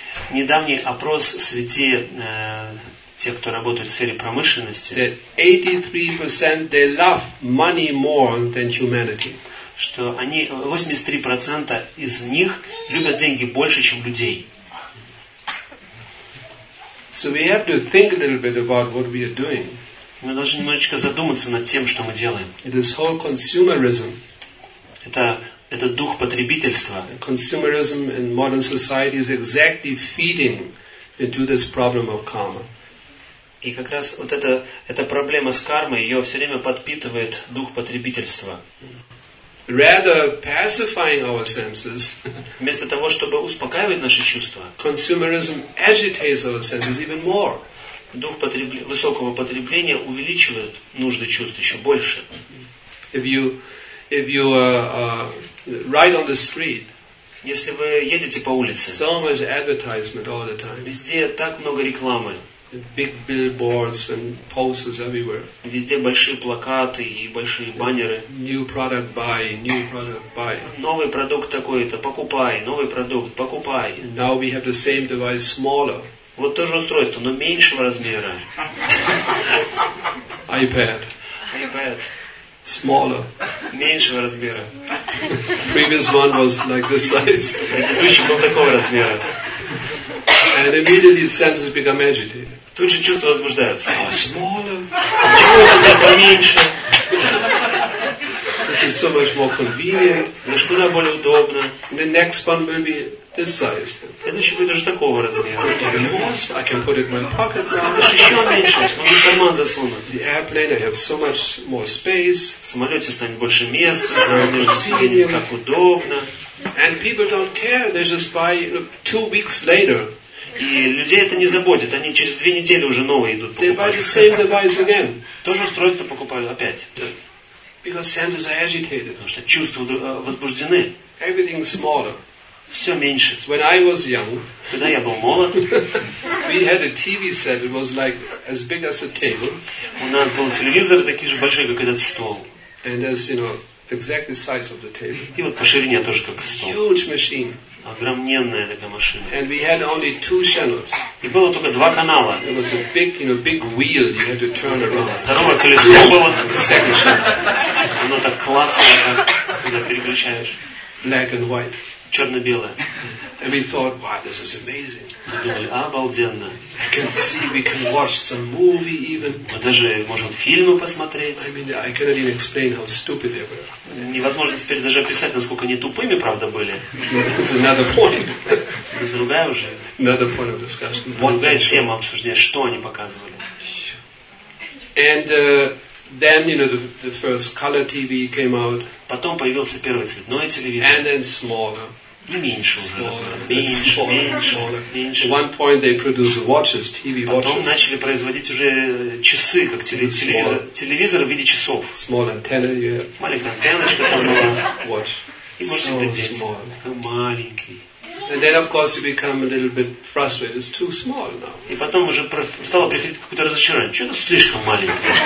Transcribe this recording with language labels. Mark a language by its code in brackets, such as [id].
[ru] Недавний опрос среди тех, кто работает в сфере промышленности, [en] that 83% they love money more than humanity. [ru] Что они 83% из них любят деньги больше, чем людей. [en] So we have to think a little bit about what we are doing. [ru] Мы должны немножечко задуматься над тем, что мы делаем. [en] It is whole consumerism. [ru] Это дух потребительства. [en] Consumerism in modern society is exactly feeding into this problem of karma. [ru] И как раз вот эта проблема с кармой, ее все время подпитывает дух потребительства. [en] Rather pacifying our senses. [ru] Вместо того, чтобы успокаивать наши чувства. [en] Consumerism agitates our senses even more. [ru] Дух высокого потребления увеличивает нужды чувств еще больше. [en] If you ride on the street. [ru] Если вы едете по улице. [en] So much advertisement all the time. [ru] Везде так много рекламы. [en] Big billboards and posters everywhere. [ru] Везде большие плакаты и большие баннеры. [en] New product buy. [ru] Новый продукт такой-то, покупай. Новый продукт, покупай. [en] And now we have the same device, smaller. [ru] Вот тоже устройство, но меньшего размера. [en] iPad. Smaller. [ru] Меньшего размера. [en] Previous one was like this size. [ru] Предыдущий был такого размера. [en] And immediately senses become agitated. [ru] Тут же чувства возбуждаются. [en] Oh, smaller. [ru] Почему у себя поменьше? [en] This is so much more convenient. [ru] Лишь куда более удобно. [en] The next one will be this size. [ru] Следующий будет уже такого размера. [en] Even more, I can put it in my pocket now. [ru] Это же еще меньше, смогу в карман засунуть. [en] The airplane, I have so much more space. [ru] В самолете станет больше места. Между сиденьями так удобно. [en] And people don't care. They just buy, you know, 2 weeks later. [ru] И людей это не заботит, они через 2 недели уже новые идут покупать. [en] They buy the same device again. [ru] Тоже устройство покупают опять. [en] Because senses are agitated. [ru] Потому что чувства возбуждены. [en] Everything smaller. [ru] Все меньше. [en] When I was young, [ru] когда я был молод, [en] we had a TV set. It was like as big as a table. [ru] У нас был телевизор такие же большие, как этот стол. [en] And as you know, exactly the size of the table. [ru] И вот по ширине тоже как стол. [en] Huge machine. [ru] Огромненная такая машина. [en] And we had only 2 channels. [ru] И было только 2 канала. [en] It was a big, you know, big wheel. You had to turn around. [ru] Второе колесо было. [en] Second channel. [ru] Оно так классно, когда переключаешь. [en] Black and white. [ru] Черно-белое. [en] And we thought, wow, this is amazing. [ru] Мы думали, обалденно. [en] I can see, we can watch some movie even. [ru] Мы даже можем фильмы посмотреть. [en] I mean, I cannot even explain how stupid they were. [ru] Невозможно теперь даже описать, насколько они тупыми, правда, были. [en] It's another point. [ru] Другая уже. [en] Another point of discussion. [ru] Другая тема обсуждения, что они показывали. [en] And then, you know, the first color TV came out. [ru] Потом появился первый цветной телевизор. [en] And then smaller. [ru] И меньше уже. Меньше. [en] At one point they produced watches, TV watches. [ru] Потом начали производить уже часы, как телевизор в виде часов. [en] Small antenna, yeah. [ru] Маленькая антенночка там была. [en] Watch. [ru] И можно надеть. Маленький. [en] And then, of course, you become a little bit frustrated. It's too small now. [ru] И потом уже стало приходить какое-то разочарование. Что-то слишком маленькое.